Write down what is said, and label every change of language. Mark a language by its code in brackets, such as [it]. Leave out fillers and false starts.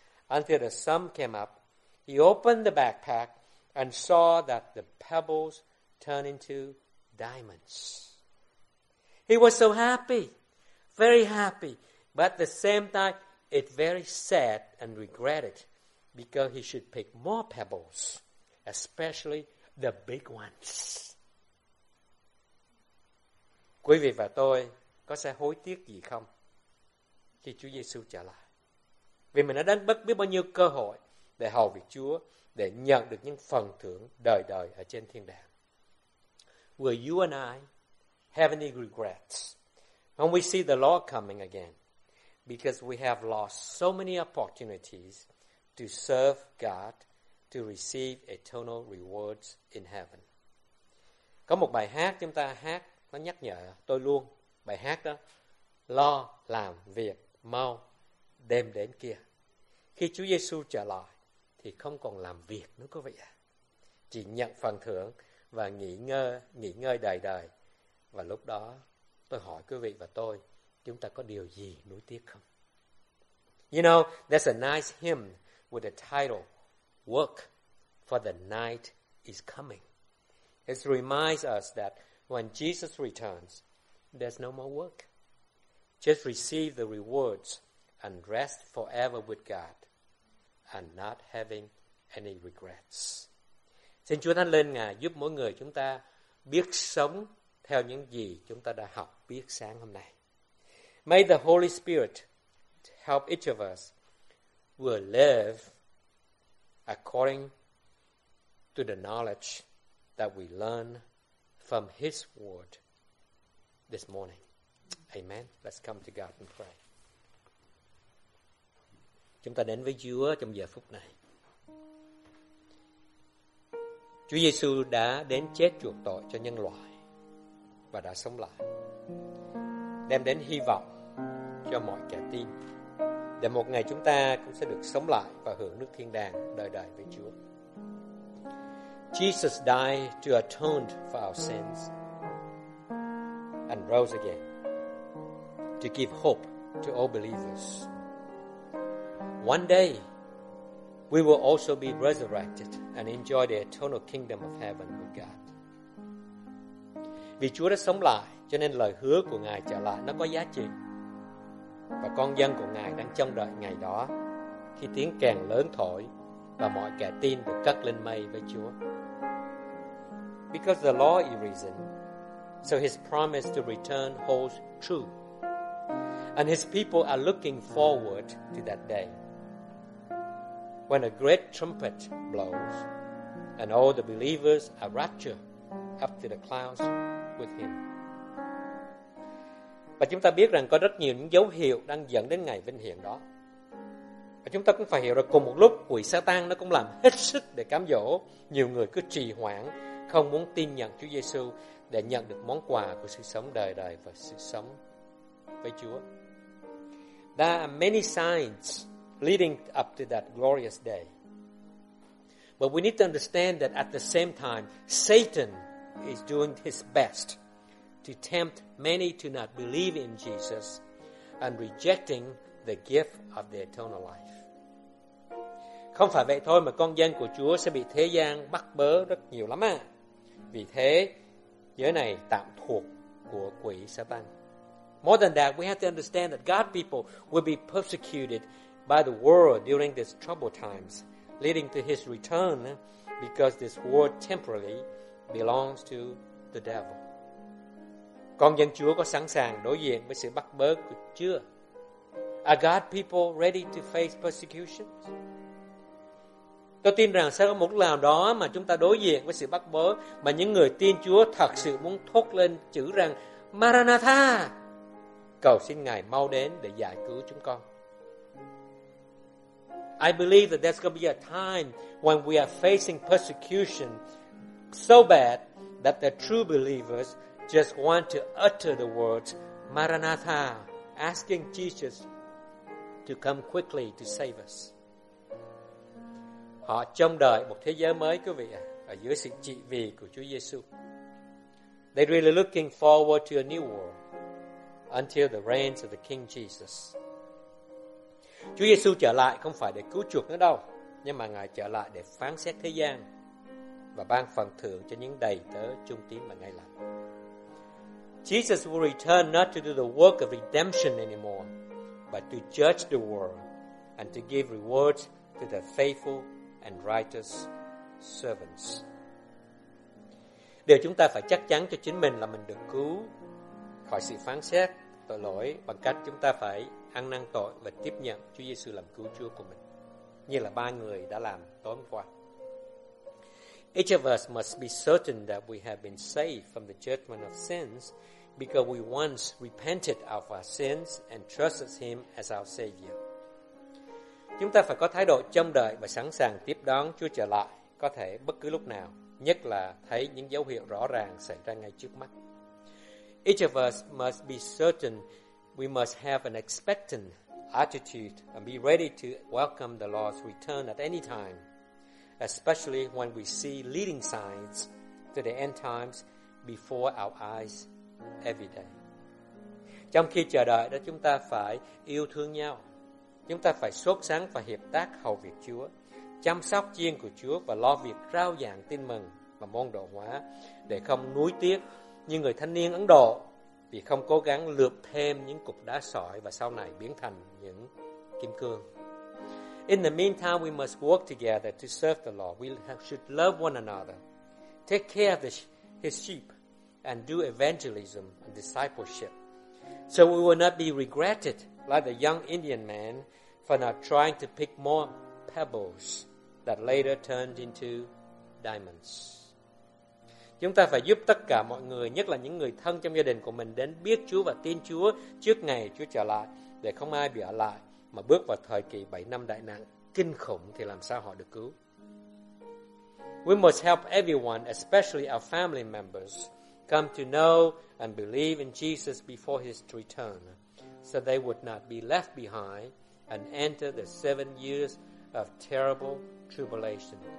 [en] Until the sun came up, he opened the backpack and saw that the pebbles turn into diamonds. He was so happy, very happy, but at the same time, it very sad and regretted because he should pick more pebbles, especially the big ones. [vi] Quý vị và tôi có sẽ hối tiếc gì không khi Chúa Giêsu trở lại? Vì mình đã đánh mất biết bao nhiêu cơ hội để hầu việc Chúa, để nhận được những phần thưởng đời đời ở trên thiên đàng. [en] Will you and I have any regrets when we see the Lord coming again? Because we have lost so many opportunities to serve God, to receive eternal rewards in heaven. [vi] Có một bài hát chúng ta hát, nó nhắc nhở tôi luôn. Bài hát đó, lo làm việc mau, đêm đến kia. Khi Chúa Giêsu trở lại, thì không còn làm việc nữa quý vị ạ. Chỉ nhận phần thưởng và nghỉ ngơi đời đời. Và lúc đó tôi hỏi quý vị và tôi, chúng ta có điều gì nuối tiếc không? [en] You know, there's a nice hymn with the title Work for the Night is Coming. It reminds us that when Jesus returns, there's no more work. just receive the rewards and rest forever with God and not having any regrets. [vi] Xin Chúa Thánh Linh Ngài giúp mỗi người chúng ta biết sống theo những gì chúng ta đã học biết sáng hôm nay. [en] May the Holy Spirit help each of us will live according to the knowledge that we learn from His Word this morning. Amen. Let's come to God and pray. [vi] Chúng ta đến với Chúa trong giờ phút này. Chúa Giêsu đã đến chết chuộc tội cho nhân loại và đã sống lại, đem đến hy vọng cho mọi kẻ tin, để một ngày chúng ta cũng sẽ được sống lại và hưởng nước thiên đàng đời đời với Chúa. [en] Jesus died to atone for our sins and rose again to give hope to all believers. One day, we will also be resurrected and enjoy the eternal kingdom of heaven with God. [vi] Vì Chúa đã sống lại, cho nên lời hứa của Ngài trở lại nó có giá trị. Và con dân của Ngài đang trông đợi ngày đó, khi tiếng kèn lớn thổi và mọi kẻ tin được cất lên mây với Chúa. [en] Because the law is risen, so His promise to return holds true. And His people are looking forward to that day. When a great trumpet blows, and all the believers are raptured up to the clouds with Him. [vi] Và chúng ta biết rằng có rất nhiều những dấu hiệu đang dẫn đến ngày vinh hiển đó. Và chúng ta cũng phải hiểu rằng cùng một lúc quỷ Satan nó cũng làm hết sức để cám dỗ nhiều người cứ trì hoãn, không muốn tin nhận Chúa Giêsu để nhận được món quà của sự sống đời đời và sự sống với Chúa. [en] There are many signs leading up to that glorious day. But we need to understand that at the same time, Satan is doing his best to tempt many to not believe in Jesus and rejecting the gift of the eternal life. [vi] Không phải vậy thôi mà con dân của Chúa sẽ bị thế gian bắt bớ rất nhiều lắm à. Vì thế, giới này tạm thuộc của quỷ Satan. [en] More than that, we have to understand that God's people will be persecuted by the world during these troubled times, leading to His return, because this world temporarily belongs to the devil. [vi] Con dân Chúa có sẵn sàng đối diện với sự bắt bớ của chưa? [en] Are God's people ready to face persecution? [vi] Tôi tin rằng sẽ có một lần đó mà chúng ta đối diện với sự bắt bớ mà những người tin Chúa thật sự muốn thốt lên chữ rằng Maranatha, cầu xin Ngài mau đến để giải cứu chúng con. [en] I believe that there's going to be a time when we are facing persecution so bad that the true believers just want to utter the words Maranatha, asking Jesus to come quickly to save us. [vi] Họ trông đợi một thế giới mới, quý vị ạ, ở dưới sự trị vì của Chúa Giêsu. [en] They're really looking forward to a new world until the reigns of the King Jesus. [vi] Chúa Giêsu trở lại không phải để cứu chuộc nữa đâu, nhưng mà Ngài trở lại để phán xét thế gian và ban phần thưởng cho những đầy tớ trung tín mà Ngài làm. [en] Jesus will return not to do the work of redemption anymore, but to judge the world and to give rewards to the faithful and righteous servants. [vi] Điều chúng ta phải chắc chắn cho chính mình là mình được cứu khỏi sự phán xét tội lỗi bằng cách chúng ta phải ăn năn tội và tiếp nhận Chúa Giêsu làm cứu Chúa của mình, như là ba người đã làm tối qua. [en] Each of us must be certain that we have been saved from the judgment of sins because we once repented of our sins and trusted Him as our Savior. [vi] Chúng ta phải có thái độ trông đợi và sẵn sàng tiếp đón Chúa trở lại, có thể bất cứ lúc nào, nhất là thấy những dấu hiệu rõ ràng xảy ra ngay trước mắt. [en] Each of us must be certain we must have an expectant attitude and be ready to welcome the Lord's return at any time, especially when we see leading signs to the end times before our eyes every day. [vi] Trong khi chờ đợi đó, chúng ta phải yêu thương nhau. Chúng ta phải sốt sắng và hiệp tác hầu việc Chúa, chăm sóc chiên của Chúa và lo việc rao giảng tin mừng và môn đồ hóa, để không nuối tiếc như người thanh niên Ấn Độ vì không cố gắng lượp thêm những cục đá sỏi và sau này biến thành những kim cương. [en] In the meantime, we must work together to serve the Lord. We should love one another, take care of his sheep, and do evangelism and discipleship. So we will not be regretted like the young Indian man for not trying to pick more pebbles that later turned into diamonds. [vi] Chúng ta phải giúp tất cả mọi người, nhất là những người thân trong gia đình của mình, đến biết Chúa và tin Chúa trước ngày Chúa trở lại, để không ai bị ở lại mà bước vào thời kỳ 7 năm đại nạn kinh khủng thì làm sao họ được cứu. [en] We must help everyone, especially our family members, come to know and believe in Jesus before his return, so they would not be left behind and enter the 7 years of terrible tribulation.